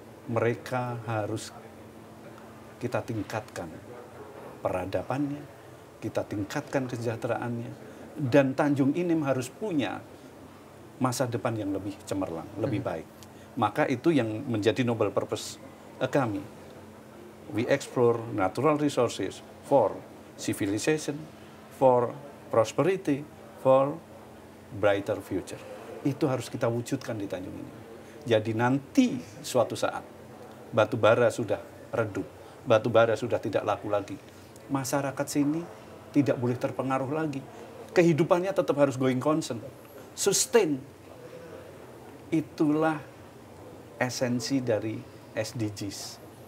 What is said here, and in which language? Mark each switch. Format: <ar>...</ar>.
<id>Mereka harus kita tingkatkan peradabannya, kita tingkatkan kesejahteraannya, dan Tanjung Inim harus punya masa depan yang lebih cemerlang, lebih baik. Maka itu yang menjadi noble purpose kami.</id> <en>we explore natural resources for civilization, for prosperity, for brighter future.</en> <id>Itu harus kita wujudkan di Tanjung ini. Jadi nanti suatu saat batu bara sudah redup, batu bara sudah tidak laku lagi, masyarakat sini tidak boleh terpengaruh lagi. Kehidupannya tetap harus going concern, sustain. Itulah esensi dari SDGs.</id>